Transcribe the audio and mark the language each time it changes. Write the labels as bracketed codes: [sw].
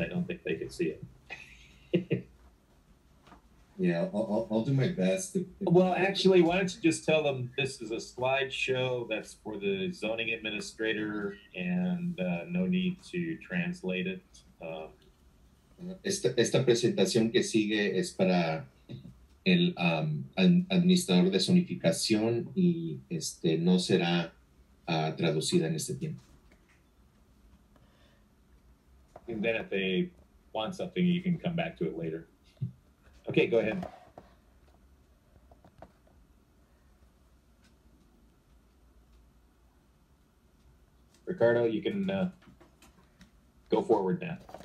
[en] I don't think they can see it. Yeah, I'll do my best. Actually, why don't you just tell them this is a slideshow that's for the zoning administrator and no need to translate it. [es] Esta presentación que sigue es para el administrador de zonificación y no será traducida en este tiempo. [en] And then if they want something, you can come back to it later. Okay, go ahead. Ricardo, you can go forward now.